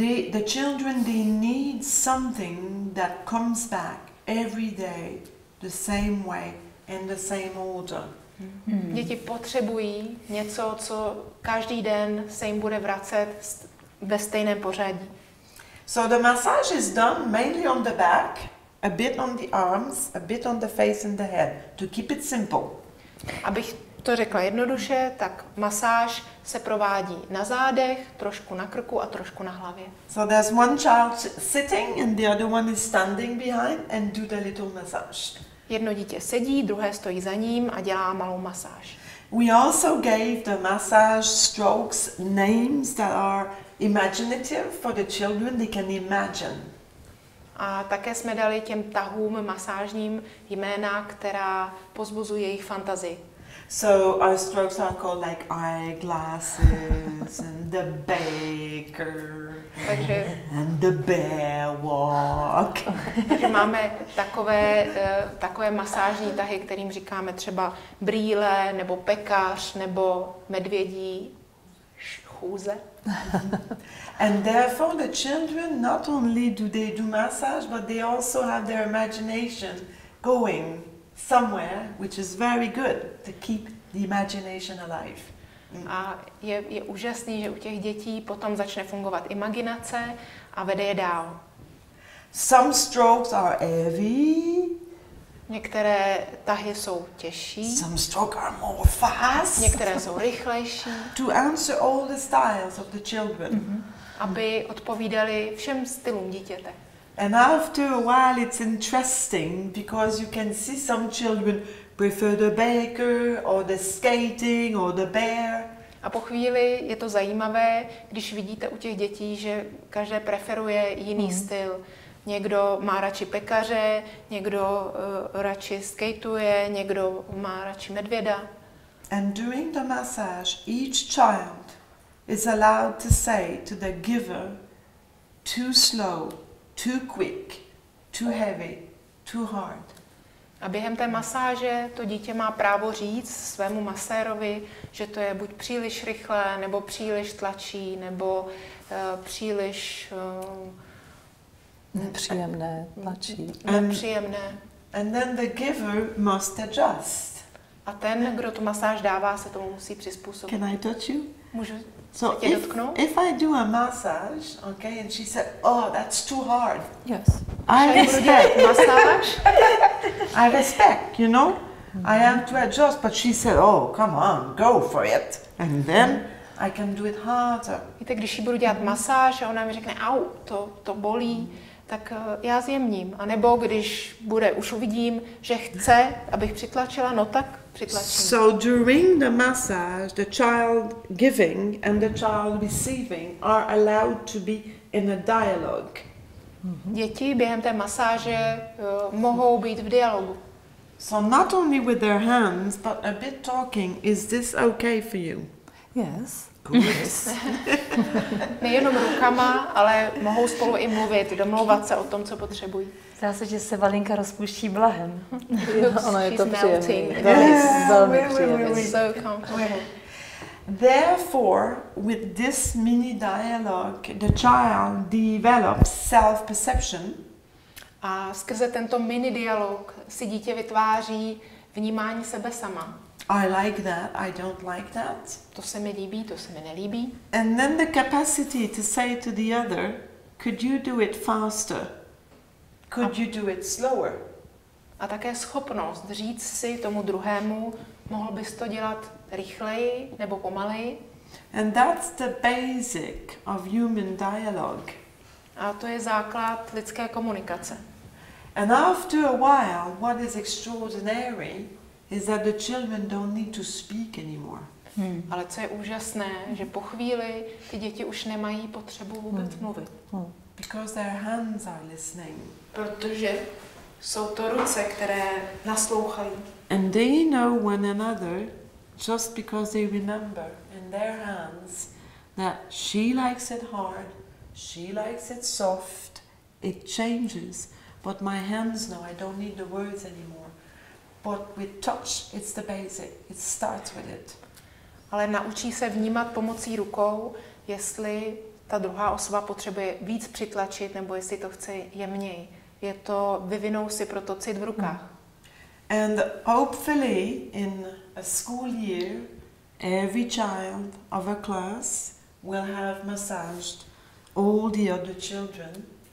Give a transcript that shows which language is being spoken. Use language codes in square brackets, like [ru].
[en] The children, they need something that comes back every day the same way in the same order. [cs] Děti potřebují něco, co každý den se jim bude vracet ve stejném pořadí. [en] So the massage is done mainly on the back, a bit on the arms, a bit on the face and the head, to keep it simple. [cs] Abych to řekla jednoduše, tak masáž se provádí na zádech, trošku na krku a trošku na hlavě. [en] So there's one child sitting and the other one is standing behind and do the little massage. [cs] Jedno dítě sedí, druhé stojí za ním a dělá malou masáž. [en] We also gave the massage strokes names that are imaginative for the children, they can imagine. [cs] A také jsme dali těm tahům masážním jména, která pozbuzují jejich fantazii. [en] So our strokes are called like eyeglasses and the baker and the bear walk. [cs] Máme takové takové masážní tahy, kterým říkáme třeba brýle nebo pekař nebo medvědí chůze. [en] And therefore the children not only do they do massage but they also have their imagination going somewhere which is very good to keep the imagination alive. [cs] A je úžasný, že u těch dětí potom začne fungovat imaginace a vede je dál. [en] Some strokes are heavy. [cs] Některé tahy jsou těžší. [en] Some strokes are more fast. [cs] Některé jsou rychlejší. [en] To answer all the styles of the children. [cs] Aby odpovídali všem stylům dítěte. [en] And after a while it's interesting because you can see some children prefer the baker or the skating or the bear. [cs] A po chvíli je to zajímavé, když vidíte u těch dětí, že každé preferuje jiný styl. Někdo má radši pekaře, někdo radši skateuje, někdo má radši medvěda. [en] And during the massage, each child is allowed to say to the giver, too slow, too quick, too heavy, too hard. [cs] A během té masáže to dítě má právo říct svému masérovi, že to je buď příliš rychlé, nebo příliš tlačí, nebo příliš nepříjemné, tlačí. Nepříjemné. [en] And then the giver must adjust. [cs] A ten, kdo tu masáž dává, se tomu musí přizpůsobit. [en] Can I touch you? [cs] Můžu [en] so [cs] tě dotknout? [en] If I do a massage, okay, and she said, oh, that's too hard. Yes. I respect masáž. I respect, you know. Mm-hmm. I have to adjust, but she said, oh, come on, go for it. And then I can do it harder. [cs] Víte, když jí budu dělat masáž a ona mi řekne, au, to bolí, tak já zjemním. A nebo když bude, už uvidím, že chce, abych přitlačila, no tak přitlačím. [en] So during the massage, the child giving and the child receiving are allowed to be in a dialogue. [cs] Děti během té masáže mohou být v dialogu. [en] So not only with their hands, but a bit talking, is this okay for you? Yes. Good. [cs] Nejenom rukama, ale mohou spolu i mluvit, domlouvat se o tom, co potřebují. Zdá se, že se Valinka rozpuští blahem. Ono je to [en] melting. [cs] Příjemný. [en] Yes, [cs] velmi příjemný. [en] So comfortable. Therefore, with this mini dialogue, the child develops self-perception. [cs] A skrze tento mini dialog si dítě vytváří vnímání sebe sama. [en] I like that, I don't like that. [cs] To se mi líbí, to se mi nelíbí. [en] And then the capacity to say to the other, could you do it faster? Could you do it slower? [cs] A také schopnost říct si tomu druhému, mohl bys to dělat rychleji nebo pomaleji? [en] And that's the basic of human dialogue. [cs] A to je základ lidské komunikace. [en] And after a while, what is extraordinary is that the children don't need to speak anymore. Hmm. [cs] Ale co je úžasné, že po chvíli ty děti už nemají potřebu vůbec mluvit. [en] Because their hands are listening. [cs] Protože jsou to ruce, které naslouchají. [en] And they know one another just because they remember in their hands that she likes it hard, she likes it soft, it changes. But my hands know, I don't need the words anymore. But with touch, it's the basic, it starts with it. [cs] Ale naučí se vnímat pomocí rukou, jestli ta druhá osoba potřebuje víc přitlačit, nebo jestli to chce jemněji. Je to, vyvinou si proto cit v rukách. [en] And hopefully in a school year, every child of a class will have massaged all the other children.